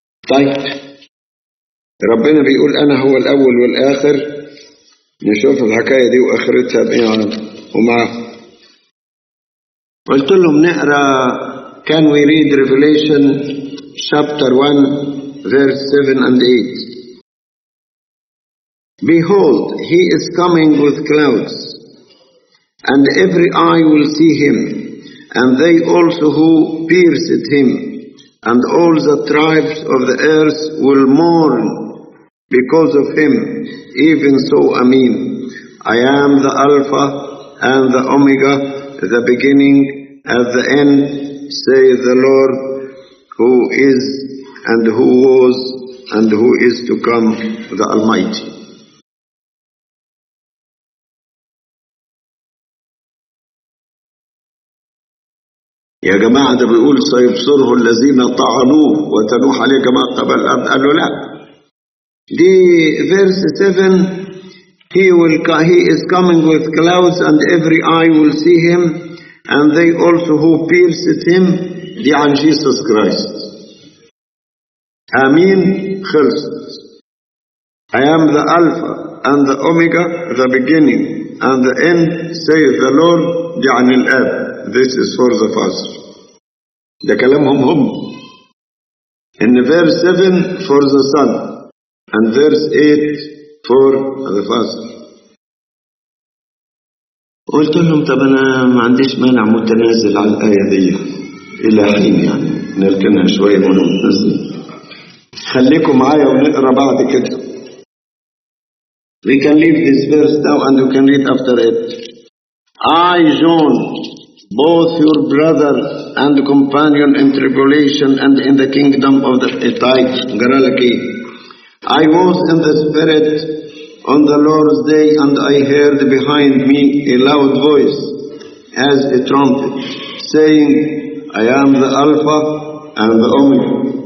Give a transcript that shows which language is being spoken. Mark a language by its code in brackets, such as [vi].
[ar] طيب ربنا بيقول أنا هو الأول والآخر، نشوف الحكاية دي وآخرتها بإيه ومع. قلت لهم نقرا [en] Can we read Revelation chapter 1 verse 7 and 8 Behold he is coming with clouds and every eye will see him and they also who pierced him and all the tribes of the earth will mourn because of him. Even so, Amen. I am the Alpha and the Omega, the beginning and the end, says the Lord, who is and who was and who is to come, the Almighty. [ar] يا جماعة ده بيقول سيبصره الذين طعنوه وتنوح عليه كما قبل الأرض. قال له لا. دي فيرس 7. [en] He is coming with clouds and every eye will see him and they also who pierced him. [ar] دي عن Jesus Christ. آمين. خلصت. [en] I am the Alpha and the Omega, the beginning and the end, says the Lord. [ar] دي عن الآب. [en] This is for the Father. [ar] ده كلامهم هم. [en] In verse 7 for the Son and verse 8 for the Father. [ar] قلت لهم طب انا ما عنديش مانع متنازل على الآية دي الى حين يعني نركنها شوية ونتنزل. خليكم معايا ونقرا بعد كده. [en] We can leave this verse now and you can read after it. I, John, both your brother and companion in tribulation and in the kingdom of the Etite, Garalaki. I was in the Spirit on the Lord's day, and I heard behind me a loud voice as a trumpet, saying, I am the Alpha and the Omega.